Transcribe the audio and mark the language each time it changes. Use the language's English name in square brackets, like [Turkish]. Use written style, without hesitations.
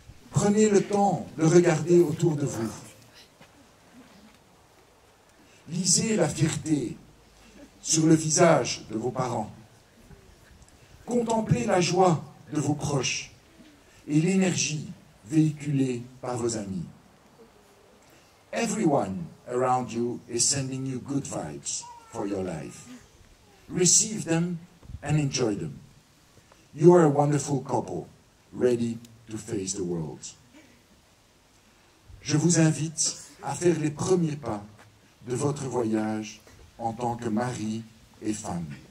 [French] Prenez le temps de regarder autour de vous. Lisez la fierté sur le visage de vos parents. Contemplez la joie de vos proches et l'énergie véhiculée par vos amis. [English] Everyone around you is sending you good vibes for your life. Receive them and enjoy them. You are a wonderful couple, ready to face the world. [French] Je vous invite à faire les premiers pas de votre voyage en tant que mari et femme.